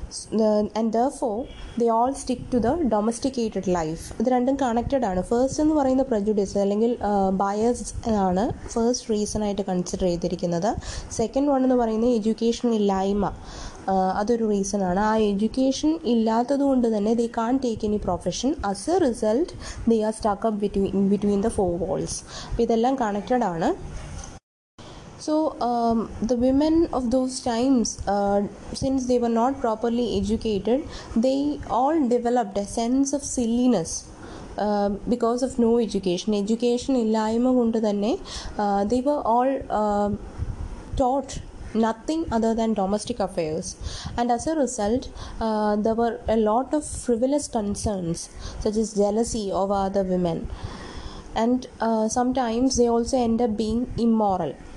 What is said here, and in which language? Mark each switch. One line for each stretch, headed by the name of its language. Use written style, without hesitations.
English: And therefore, they all stick to the domesticated life.
Malayalam: ഇത് രണ്ടും connected ആണ്. First എന്ന് പറയുന്ന പ്രെജുഡിസ് അല്ലെങ്കിൽ ബയസ് ആണ് ഫേഴ്സ്റ്റ് റീസണായിട്ട് കൺസിഡർ ചെയ്തിരിക്കുന്നത്. സെക്കൻഡ് വൺ എന്ന് പറയുന്നത് എഡ്യൂക്കേഷൻ ഇല്ലായ്മ, അതൊരു റീസണാണ്. ആ എഡ്യൂക്കേഷൻ ഇല്ലാത്തത് കൊണ്ട് തന്നെ
English: They can't take any profession, as a result they are stuck up between the four walls.
Malayalam: അപ്പോൾ ഇതെല്ലാം കണക്റ്റഡ് ആണ്.
English: So the women of those times, since they were not properly educated, they all developed a sense of silliness because of no education. Education
Malayalam: illayma kondu thanne
English: they were all taught nothing other than domestic affairs, and as a result there were a lot of frivolous concerns such as jealousy of other women, and sometimes they also end up being immoral.